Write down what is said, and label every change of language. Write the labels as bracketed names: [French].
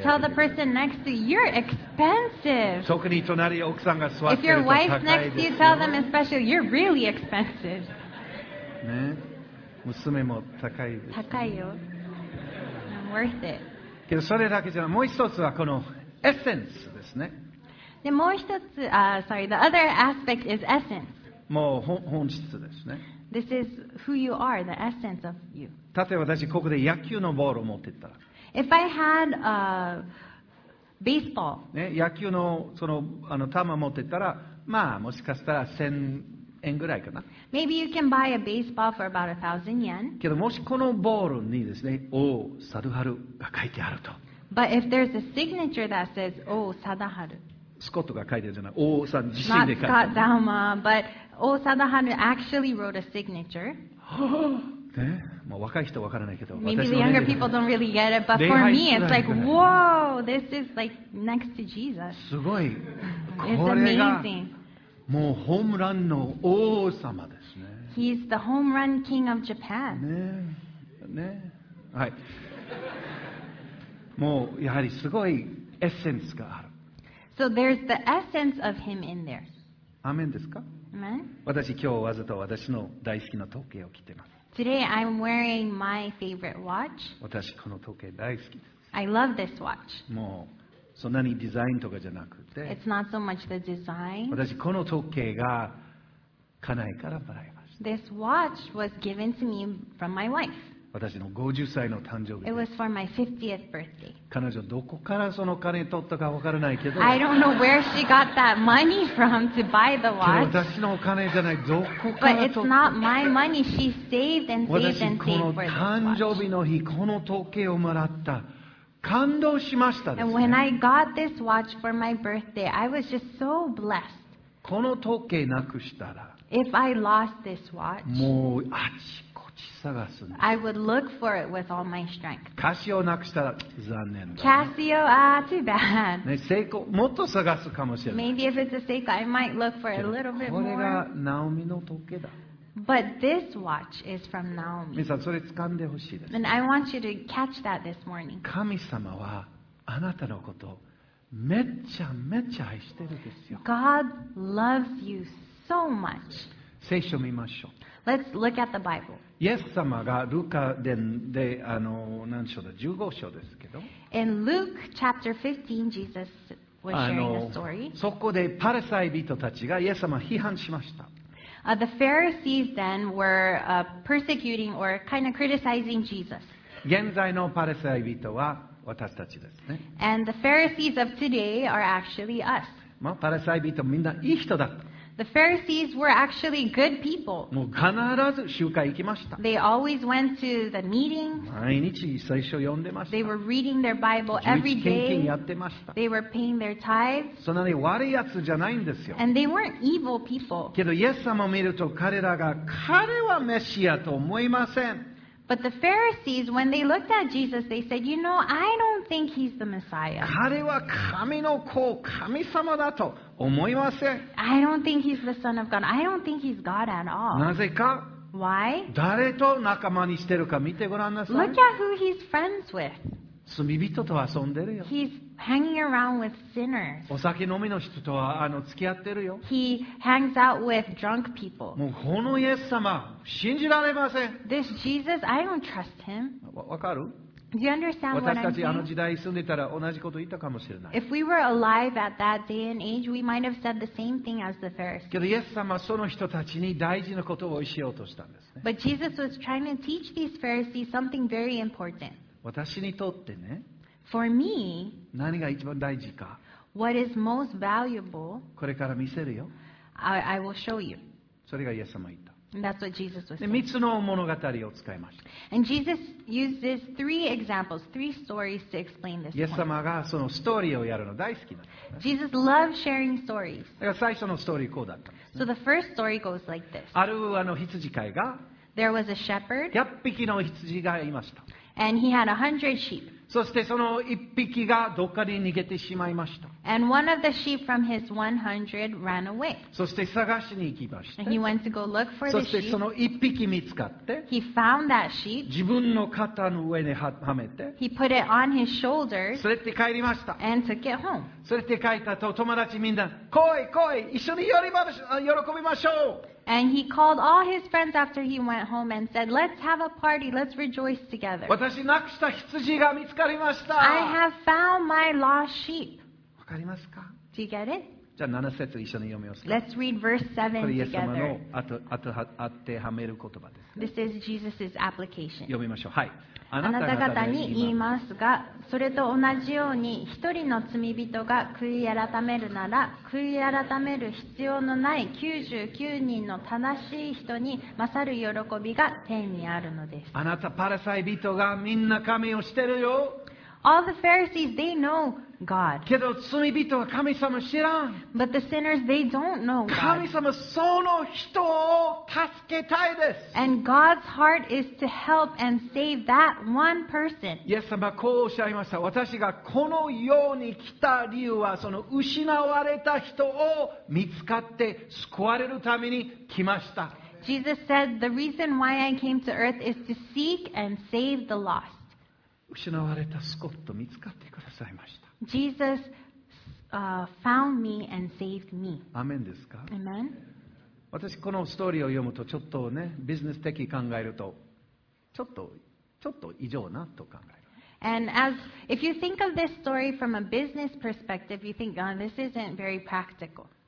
[English] Tell the person next to you, you're expensive. [Japanese] 特に隣奥さんが座ってると高いですよ。 [English] If your wife's next to you, tell them especially, you're really expensive. [Japanese] ね、娘も高いです、ね。高いよ。 [English] I'm worth it. [Japanese] けどそれだけじゃない。もう一つはこのエッセンスですね。で、もう一つ、 [English] the other aspect is essence. [Japanese] もう本質ですね。 [English] This is who you are, the essence of you. [Japanese] 例えば私ここで野球のボールを持ってったら。 [English] If I had a baseball. [Japanese] ね、野球のその球持ってったら、まあもしかしたら1000円ぐらいかな。 [English] Maybe you can buy a baseball for about 1000 yen. [Japanese] けどもしこのボールにですね、O Sadaharu が書いてあると。 [English] But if there's a signature that says O Sadaharu. [Japanese] スコットが書いてるじゃない、O さん自身で書いて [English] る。Not Scott Dauma, but オーサダハヌ actually wrote a signature. [Japanese] ね、もう若い人は分からないけど、 [English] maybe the younger people don't really get it, but for me, it's like, whoa, this is like next to Jesus. [Japanese] すごい。 [English] It's amazing. [Japanese] もうホームランの王様ですね。 [English] He's the home run king of Japan. [Japanese] ね、ね、はい。もうやはりすごいエッセンスがある。 [English] So there's the essence of him in there. [Japanese] アメンですか？私今日わざと私の大好きな時計を着ています。 [English] Today I'm wearing my favorite watch. [Japanese] 私この時計大好きです。 [English] I love this watch. [Japanese] もうそんなにデザインとかじゃなくて。 [English] It's not so much the design. [Japanese] 私この時計が家内からもらいました。 [English] This watch was given to me from my wife. [Japanese] 私の50歳の誕生日です。 [English] It was for my 50th birthday. [Japanese] 彼女どこからその金取ったかわからないけど。 [English] I don't know where she got that money from to buy the watch. [Japanese] 私のお金じゃない、どこから取った。 [English] But it's not my money. She saved and saved and saved for this watch. [Japanese] 私この誕生日の日、この時計をもらった。感動しましたですね。 [English] And when I got this watch for my birthday, I was just so blessed. [Japanese] この時計なくしたら。 [English] If I lost this watch. [Japanese] もうあち。 [English] I would look for it with all my strength. [Japanese] カシオをなくしたら残念だ、ね。 [English] カシオ、too bad. [Japanese] ね、セイコもっと探すかもしれない。 [English] Maybe if it's a Seiko, I might look for it a little bit more. [Japanese] これがナオミの時計だ。 [English] But this watch is from Naomi. [Japanese] 皆さんそれ掴んでほしいです、ね。 [English] And I want you to catch that this morning. [Japanese] 神様はあなたのことめっちゃめっちゃ愛してるんですよ。 [English] God loves you so much. [Japanese] 聖書見ましょう。 [English] Let's look at the Bible. [Japanese] イエス様がルカ伝で何章だ15章ですけど。 [English] In Luke chapter 15, Jesus was sharing a story. [Japanese] そこでパリサイ人たちがイエス様を批判しました。 [English] The Pharisees then were persecuting or kind of criticizing Jesus. [Japanese] 現在のパリサイ人は私たちですね。 [English] And the Pharisees of today are actually us. [Japanese] まあ、パリサイ人みんないい人だった。 [English] The Pharisees were actually good people. [Japanese] もう必ず集会行きました。 [English] They always went to the meetings. [Japanese] 毎日聖書読んでました。 [English] They were reading their Bible every day. [Japanese] 献金やってました。 [English] They were paying their tithes. [Japanese] そんなに悪いやつじゃないんですよ。 [English] And they weren't evil people. [Japanese] けどイエス様を見ると彼らが彼はメシアと思いません。 [English] But the Pharisees, when they looked at Jesus, they said, "You know, I don't think he's the Messiah." [Japanese] 彼は神の子、神様だと思いません。 [English] I don't think he's the Son of God. I don't think he's God at all. [Japanese] なぜか? [English] Why? [Japanese] 誰と仲間にしてるか見てごらんなさい。 [English] Look at who he's friends with. [Japanese] 罪人と遊んでるよ。 [English] He's hanging around with sinners. [Japanese] お酒飲みの人とは付き合ってるよ。 [English] He hangs out with drunk people. [Japanese] もうこのイエス様、信じられません。 [English] This Jesus, I don't trust him. [Japanese] わかる? [English] Do you understand what I'm saying? [Japanese] 私たちあの時代住んでたら同じこと言ったかもしれない。 [English] If we were alive at that day and age, we might have said the same thing as the Pharisees. [Japanese] けどイエス様はその人たちに大事なことを教えようとしたんですね。 [English] But Jesus was trying to teach these Pharisees something very important. [Japanese] 私にとってね、 [English] For me, [Japanese] 何が一番大事か、 [English] What is most valuable, [Japanese] これから見せるよ。 [English] I will show you. [Japanese] それがイエス様が言った。 [English] That's what Jesus was saying. [Japanese] 3つの物語を使いました。 [English] And Jesus uses three examples, three stories to explain this point. [Japanese] イエス様がそのストーリーをやるの大好きなんです、ね。 [English] Jesus loves sharing stories. [Japanese] だから最初のストーリーこうだったんです、ね。 [English] So the first story goes like this. [Japanese] ある羊飼いが、 [English] There was a shepherd. [Japanese] 100匹の羊がいました。 [English] And he had 100 sheep. [Japanese] そしてその一匹がどっかに逃げてしまいました。 [English] And one of the sheep from his 100 ran away. [Japanese] そして探しに行きました。 [English] And he went to go look for the sheep. [Japanese] そしてその一匹見つかって、 [English] he found that sheep. [Japanese] 自分の肩の上にはめて、 [English] he put it on his shoulders. [Japanese] 連れて帰りました。 [English] And took it home. [Japanese] 連れて帰ったと友達みんな、来い来い、一緒に喜びましょう。 [English] And he called all his friends after he went home and said, "Let's have a party. Let's rejoice together." [Japanese] 私なくした羊が見つかりました。 [English] I have found my lost sheep. [Japanese] わかりますか? [English] Do you get it? [Japanese] じゃあ7節一緒に読みますか? [English] Let's read verse 7 together. [Japanese] これイエス様の当てはめる言葉です。 [English] This is Jesus's application. [Japanese] 読みましょう。はい。あなた方に言いますが、それと同じように一人の罪人が悔い改めるなら、悔い改める必要のない99人の正しい人に勝る喜びが天にあるのです。あなたパリサイ人がみんな神を知ってるよ。 [English] All the Pharisees, they know God. [Japanese] けど罪人は神様知らん。 [English] But the sinners, they don't know God. [Japanese] 神様その人を助けたいです。 [English] And God's heart is to help and save that one person. [Japanese] イエス様こうおっしゃいました。私がこの世に来た理由はその失われた人を見つかって救われるために来ました。 [English] Jesus said, "The reason why I came to earth is to seek and save the lost." [Japanese] 失われたスコット見つかってくださいました。 [English] Jesus found me and saved me. [Japanese] アメンですか? [English] Amen. [Japanese] 私このストーリーを読むとちょっとね、ビジネス的に考えるとちょっと異常なと考える。 [English] And if you think of this story from a business perspective, you think, "Oh, this isn't very practical."